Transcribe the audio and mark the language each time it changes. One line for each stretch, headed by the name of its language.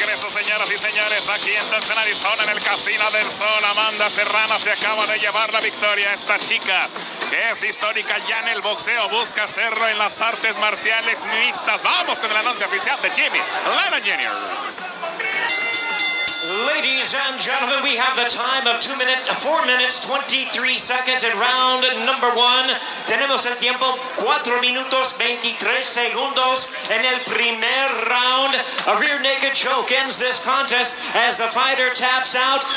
Spanish: Señoras y señores, aquí en Tucson, Arizona, en el Casino del Sol, Amanda Serrano se acaba de llevar la victoria. Esta chica, que es histórica ya en el boxeo, busca hacerlo en las artes marciales mixtas. Vamos con el anuncio oficial de Jimmy Lara Jr.
English: Ladies and gentlemen, we have the time of 4 minutes 23 seconds in round number one.
Spanish: Tenemos el tiempo 4 minutos 23 segundos en el primer round.
English: A rear naked choke ends this contest as the fighter taps out.